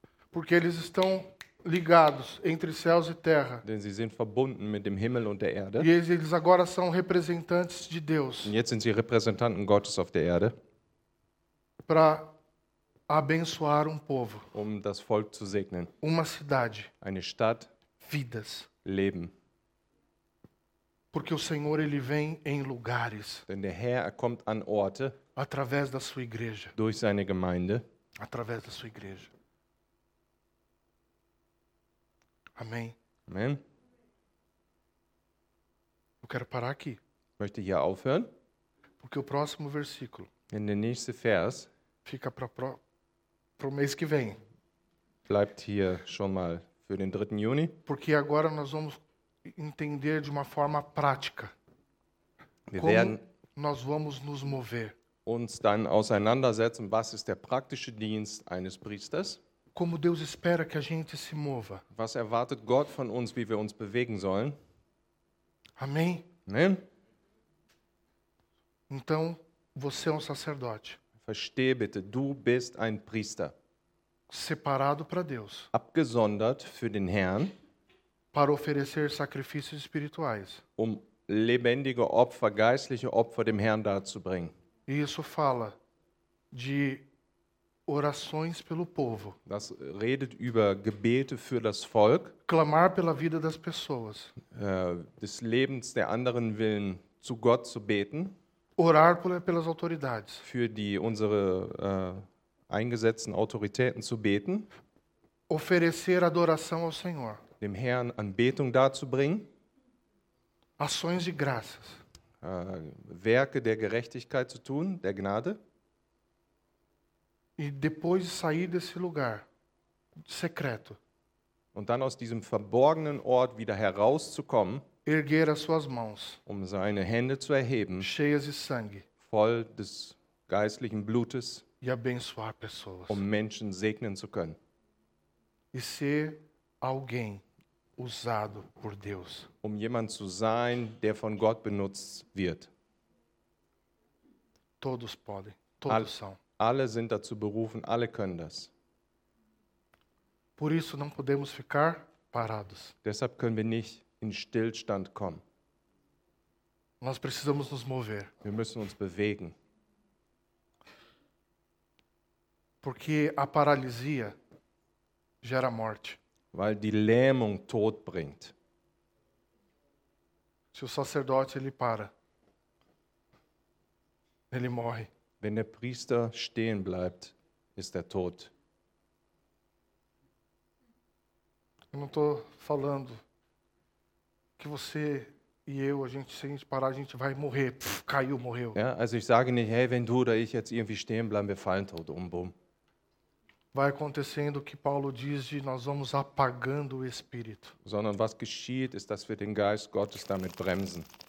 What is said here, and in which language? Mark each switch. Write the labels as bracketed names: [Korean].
[Portuguese] Porque eles estão ligados entre céus e terra. [German] Denn sie sind verbunden mit dem Himmel und der Erde. [Portuguese] E eles agora são representantes de Deus. [German] Und jetzt sind sie Repräsentanten Gottes auf der Erde. [Portuguese] Para abençoar um povo. [German] Um das Volk zu segnen. [Portuguese] Uma cidade. [German] Eine Stadt. [Portuguese] Vidas. [German] Leben. [Portuguese] Porque o Senhor ele vem em lugares. [German] Denn der Herr kommt an Orte. [Portuguese] Através da sua igreja. [German] Durch seine Gemeinde. [Portuguese] Através da sua igreja. Amém. [German] Amen. [Portuguese] Eu quero parar aqui. [German] Möchte hier aufhören. [Portuguese] Porque o próximo versículo. [German] In der nächste Vers. [Portuguese] Fica pro mês que vem. [German] Bleibt hier schon mal für den 3. Juni. [Portuguese] Porque agora nós vamos entender de uma forma prática. Nós vamos nos mover. [German] Uns dann auseinandersetzen, was ist der praktische Dienst eines Priesters? [Portuguese] Como Deus espera que a gente se mova? [German] Was erwartet Gott von uns, wie wir uns bewegen sollen? [Portuguese] Amém. [German] Amen. [Portuguese] Então, você é um sacerdote. [German] Versteh bitte, du bist ein Priester. [Portuguese] Separado para Deus. [German] Abgesondert für den Herrn. [Portuguese] Para oferecer sacrifícios espirituais. [German] Um lebendige Opfer, geistliche Opfer dem Herrn darzubringen. [Portuguese] Isso fala de orações pelo povo. [German] Das redet über Gebete für das Volk. [Portuguese] Clamar pela vida das pessoas. [German] Des Lebens der anderen willen zu Gott zu beten. [Portuguese] Orar pelas autoridades. [German] Für die unsere eingesetzten Autoritäten zu beten. [Portuguese] Oferecer adoração ao Senhor. [German] Dem Herrn Anbetung darzubringen. [Portuguese] Ações de graças. [German] Werke der Gerechtigkeit zu tun, der Gnade. [Portuguese] E depois sair desse lugar secreto. [German] Und dann aus diesem verborgenen Ort wieder herauszukommen. [Portuguese] Erguer as suas mãos. [German] Um seine Hände zu erheben. [Portuguese] Cheias de sangue. [German] Voll des geistlichen Blutes. [Portuguese] E abençoar pessoas. [German] Um Menschen segnen zu können. [Portuguese] E ser alguém usado por Deus. [German] Um jemand zu sein, der von Gott benutzt wird. [Portuguese] Todos podem, todos são. [German] Alle sind dazu berufen, alle können das. [Portuguese] Por isso não podemos ficar parados. [German] Deshalb können wir nicht in Stillstand kommen. [Portuguese] Nós precisamos nos mover. [German] Wir müssen uns bewegen. [Portuguese] Porque a paralisia gera morte. [German] Weil die Lähmung Tod bringt. [Portuguese] Se o sacerdote ele para, ele morre. [German] Wenn der Priester stehen bleibt, ist er tot. [Portuguese] Eu não estou falando que você e eu, se a gente parar, a gente vai morrer. Pff, caiu, morreu. [German] Ja, also ich sage nicht, hey, wenn du oder ich jetzt irgendwie stehen bleiben, wir fallen tot um, bumm. [Portuguese] Vai acontecendo o que Paulo diz de nós vamos apagando o Espírito. [German] Sondern was geschieht, ist, dass wir den Geist Gottes damit bremsen.